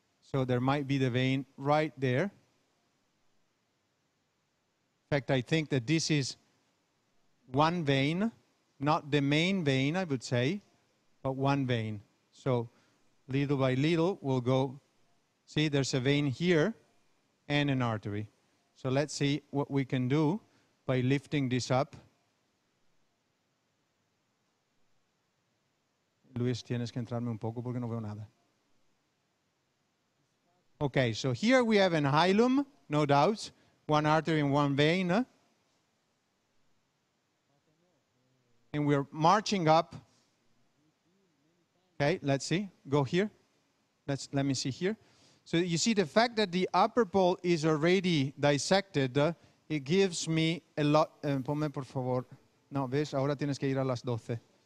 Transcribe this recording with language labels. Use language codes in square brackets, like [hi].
[en] So there might be the vein right there. In fact, I think that this is one vein, not the main vein, I would say, but one vein. So little by little, we'll go. See, there's a vein here and an artery. So let's see what we can do by lifting this up. [es] Luis, tienes que entrarme un poco porque no veo nada. [en] Okay, so here we have an hilum, no doubt. One artery and one vein. And we're marching up. Okay, let's see. Go here. Let me see here. So you see the fact that the upper pole is already dissected, it gives me a lot. [es] Ponme, por favor. No, ves, ahora tienes que ir a las 12.